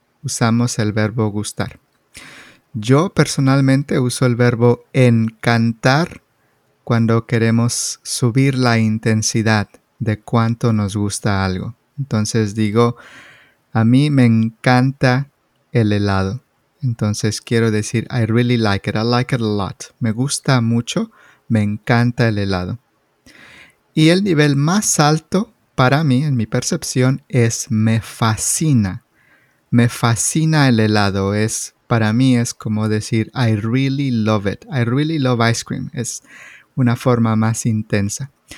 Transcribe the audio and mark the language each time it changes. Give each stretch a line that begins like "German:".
Spanish: Usamos el verbo gustar. Yo personalmente uso el verbo encantar cuando queremos subir la intensidad de cuánto nos gusta algo. Entonces digo, a mí me encanta el helado. Entonces quiero decir,
English: I really like it. I like it a lot.
Spanish: Me gusta mucho. Me encanta el helado. Y el nivel más alto para mí, en mi percepción, es me fascina. Me fascina el helado. Es, para mí es como decir,
English: I really love it. I really love ice cream.
Spanish: Es una forma más intensa.